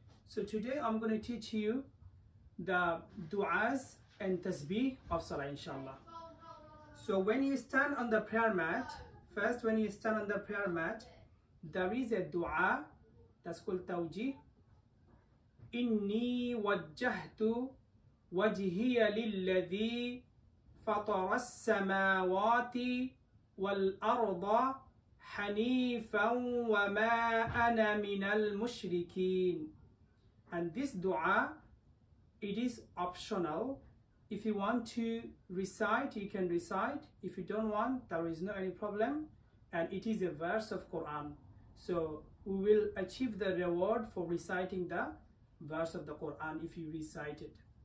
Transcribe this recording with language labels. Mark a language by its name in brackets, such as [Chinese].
[English] So today I'm going to teach you the du'as and tasbih of salah, inshallah. So when you stand on the prayer mat, first when you stand on the prayer mat, there is a du'a that's called tawjih. [Arabic] Inni wajjahtu wajhiya lilladhi fatara as-samawati والأرض حنيفا وما أنا من المشركين. [English] And this dua, it is optional. If you want to recite, you can recite. If you don't want, there is no any problem. And it is a verse of Quran. So we will achieve the reward for reciting the verse of the Quran if you recite it.